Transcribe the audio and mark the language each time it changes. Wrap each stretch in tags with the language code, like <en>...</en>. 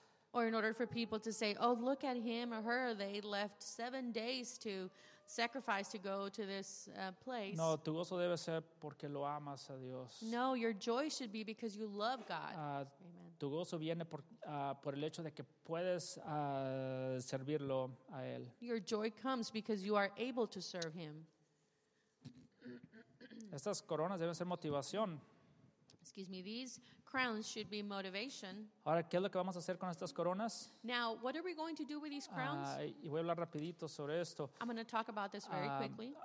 <en>Or in order for people to say, oh, look at him or her, they left 7 days to sacrifice to go to this place.</en> <es>No, tu gozo debe ser porque lo amas a Dios.</es> <en>No, your joy should be because you love God. Amen.</en> <es>Tu gozo viene por el hecho de que puedes servirlo a él.</es> <en>Your joy comes because you are able to serve him.</en> <es>Estas coronas deben ser motivación.</es> <en>Excuse me, these crowns should be motivation.</en> <es>Ahora, ¿qué es lo que vamos a hacer con estas coronas?</es> <en>Now, what are we going to do with these crowns?</en> <es>Y voy a hablar rapidito sobre esto.</es> <en>I'm going to talk about this very quickly.</en>